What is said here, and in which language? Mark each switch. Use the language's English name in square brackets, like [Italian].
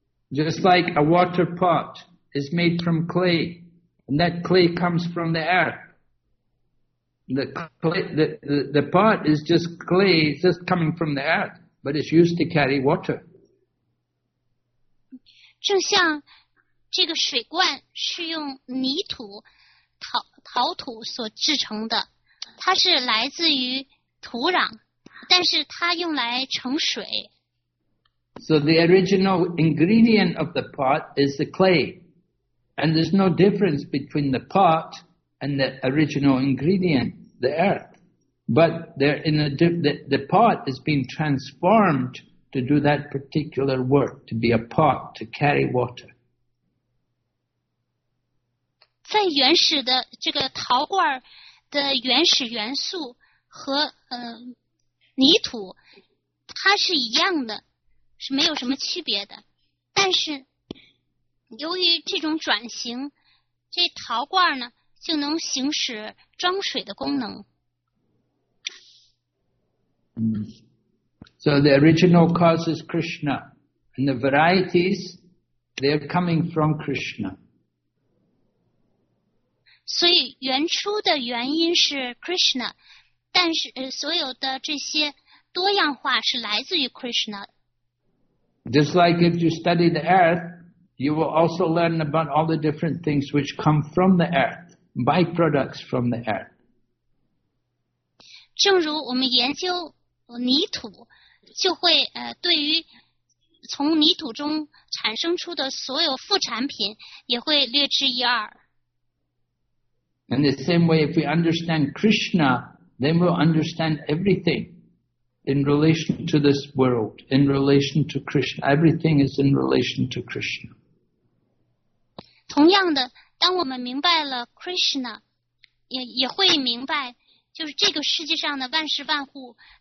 [English] Just like a water pot is made from clay, and that clay comes from the earth. The pot is just clay, it's just coming from the earth, but it's used to carry water. [Chinese] 正像这个水罐是用泥土 陶土所制成的，它是来自于土壤，但是它用来盛水。 [English] So the original ingredient of the pot is the clay, and there's no difference between the pot and the original ingredient, the earth. But they're in a the pot is being transformed. To do that particular work, to be a pot, to carry water. [Chinese] 在原始的这个陶罐的原始元素和泥土，它是一样的，是没有什么区别的。但是由于这种转型，这陶罐呢就能行使装水的功能。 [English] So the original cause is Krishna, and the varieties, they are coming from Krishna. [Chinese] 所以原初的原因是 Krishna, 但是所有的这些多样化是来自于 Krishna. [English] Just like if you study the earth, you will also learn about all the different things which come from the earth, byproducts from the earth. [Chinese] 正如我们研究泥土就会对于从泥土中产生出的所有副产品也会略知一二。 [English] In the same way, if we understand Krishna, then we'll understand everything in relation to this world, in relation to Krishna. Everything is in relation to Krishna. [Chinese] 同样的，当我们明白了 Krishna, 也会明白，就是这个世界上的万事万物。